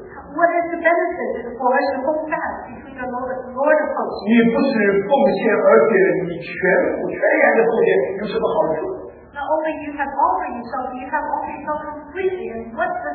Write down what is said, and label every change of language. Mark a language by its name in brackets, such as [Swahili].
[English] What is the benefit for us to hold fast between the the Lord of hosts. [Chinese] 你不是奉献，而且你全部全然的奉献，有什么好处？ [English] Not only you have offered yourself, you have offered yourself completely, and what's the